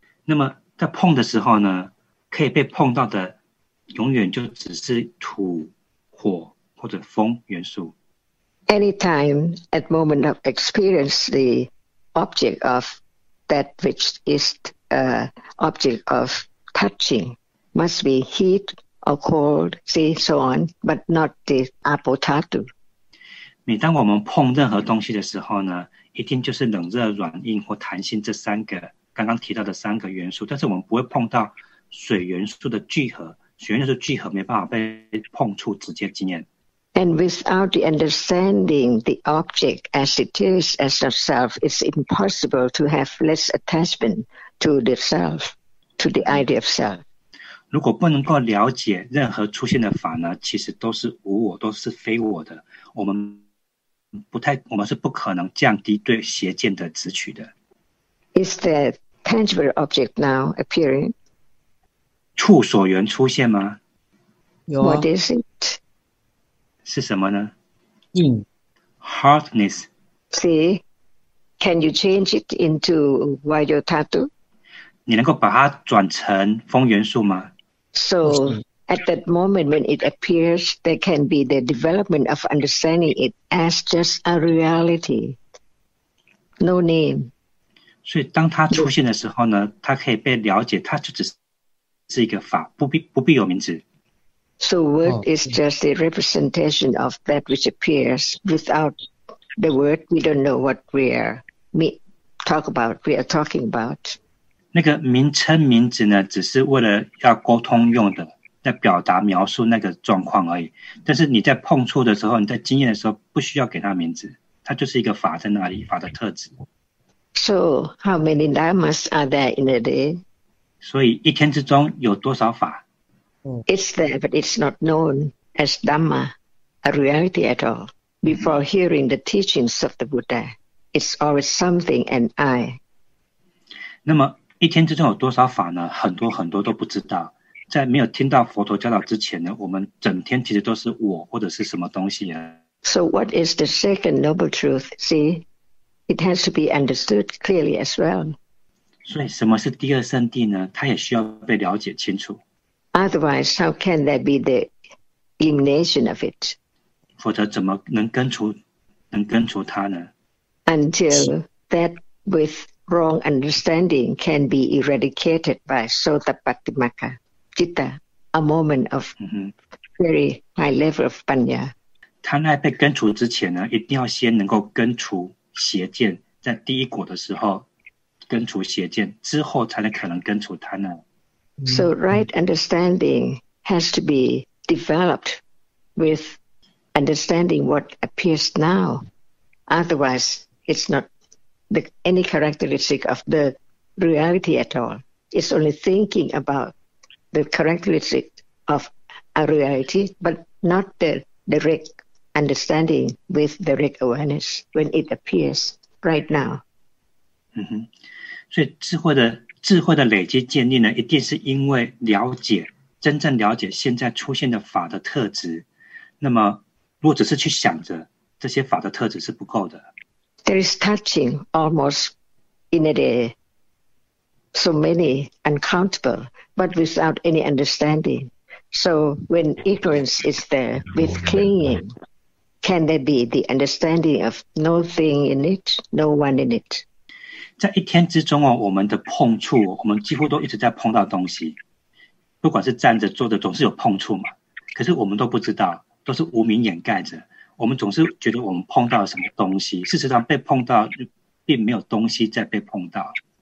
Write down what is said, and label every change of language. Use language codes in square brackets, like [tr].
[zh] 那么在碰的时候呢？可以被碰到的永远就只是土、火或者风元素。 [en] Anytime at moment of experience the object of that which is object of touching must be heat or cold, see, so on, but not the apotatu. [zh] 每当我们碰任何东西的时候呢，一定就是冷热、软硬或弹性这三个刚刚提到的三个元素，但是我们不会碰到水元素的聚合，水元素聚合没办法被碰触直接经验。 [en] And without the understanding the object as it is as a self, it's impossible to have less attachment to the self, to the idea of self. [zh] 如果不能够了解任何出现的法呢，其实都是无我，都是非我的。我们是不可能降低对邪见的执取的。 [en] Is the tangible object now appearing? [zh] 触所缘出现吗？有啊。 [en] What is it? [zh] 是什么呢？硬。 [en] Hardness. See, can you change it into Vayu-Tattu? [zh] 你能够把它转成风元素吗 [en] ？So at that moment when it appears, there can be the development of understanding it as just a reality, no name. [zh] 所以当它出现的时候呢，它可以被了解，它就只是一个法，不必有名字。 [en] So word is just a representation of that which appears. Without the word, we don't know what we are talking about. [zh] 那个名称名字呢，只是为了要沟通用的，在表达描述那个状况而已。但是你在碰触的时候，你在经验的时候，不需要给它名字，它就是一个法在那里，法的特质。 [en] So how many dharmas are there in a day? [zh] 所以一天之中有多少法？ [en] It's there, but it's not known as Dhamma, a reality at all. Before hearing the teachings of the Buddha, it's always something and I. [zh] 那么一天之中有多少法呢？很多很多都不知道。在没有听到佛陀教导之前呢，我们整天其实都是我或者是什么东西啊。 [en] So what is the second noble truth? See, it has to be understood clearly as well. [zh] 所以什么是第二圣谛呢？它也需要被了解清楚。 [en] Otherwise, how can there be the elimination of it? [zh] 否则怎么能根除它呢？ [en] Until that with wrong understanding can be eradicated by Sotapattimagga, Citta, a moment of very high level of Panya. [zh] 贪爱被根除之前呢，一定要先能够根除邪见，在第一果的时候根除邪见，之后才能可能根除贪爱。 [en] So right understanding has to be developed with understanding what appears now. Otherwise, it's not any characteristic of the reality at all. It's only thinking about the characteristic of a reality, but not the direct understanding with the direct awareness when it appears right now. Mm-hmm. [zh] 所以智慧的累积建立呢，一定是因为了解，真正了解现在出现的法的特质。那么，如果只是去想着这些法的特质是不够的。 [en] There is touching almost in a day, so many uncountable, but without any understanding. So when ignorance is there with clinging, can there be the understanding of no thing in it, no one in it? [zh] 在一天之中、哦、我们的碰触，我们几乎都一直在碰到东西，不管是站着坐着总是有碰触嘛。可是我们都不知道，都是无明掩盖着，我们总是觉得我们碰到了什么东西，事实上被碰到并没有东西在被碰到。